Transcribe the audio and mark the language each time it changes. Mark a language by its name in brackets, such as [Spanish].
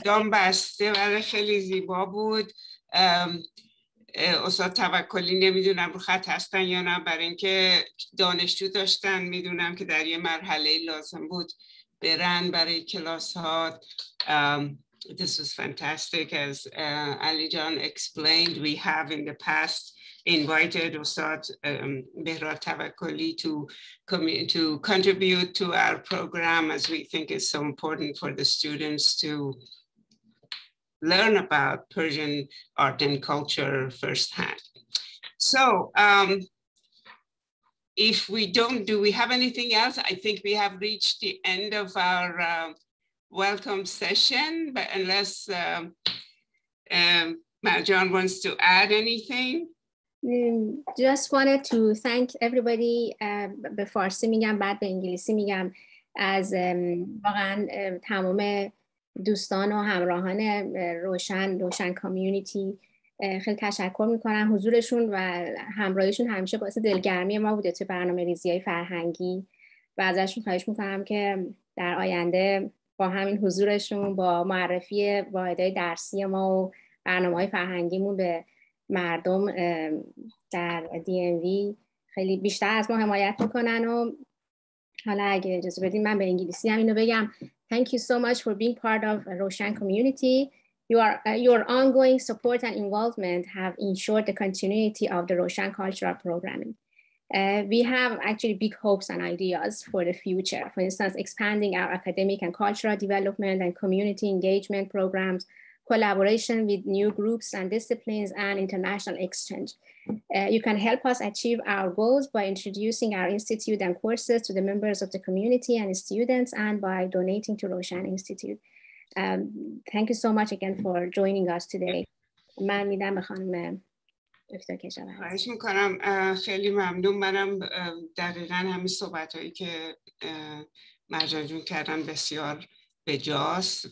[Persian] صدام بسته برای خیلی زیبا بود. استاد توکلی نمیدونم رو خط هستن یا نه، برای اینکه دانشجو داشتن میدونم که در یه مرحله لازم بود برن برای کلاس ها. [English] This was fantastic. As Ali John explained, we have in the past invited Ustad Behrad Tavakoli to contribute to our program, as we think it's so important for the students to learn about Persian art and culture firsthand. So, if we don't, do we have anything else? I think we have reached the end of our welcome session, but unless Marjan wants to add anything. Just wanted to thank everybody, [Persian] به فارسی میگم بعد به انگلیسی میگم، از واقعا تمام دوستان و همراهان روشن کامیونیتی خیلی تشکر میکنم. حضورشون و همراهیشون همیشه باعث دلگرمی ما بوده تو برنامه ریزی های فرهنگی و ازشون خواهش میکنم که در آینده با همین حضورشون با معرفی واحدهای درسی ما و برنامه های فرهنگیمون به مردم در DMV خیلی بیشتر از ما حمایت میکنن. و حالا اگه اجازه بدین من به انگلیسی هم اینو بگم. [English] Thank you so much for being part of Roshan community. Your ongoing support and involvement have ensured the continuity of the Roshan cultural programming. We have actually big hopes and ideas for the future. For instance, expanding our academic and cultural development and community engagement programs, collaboration with new groups and disciplines, and international exchange. You can help us achieve our goals by introducing our institute and courses to the members of the community and students, and by donating to Roshan Institute. Thank you so much again for joining us today. [Persian] من میدم به خانم دکتر کشاورز. خواهش میکنم. خیلی ممنون. منم دقیقا همین صحبت هایی که مرجان جون کردن بسیار بجاست.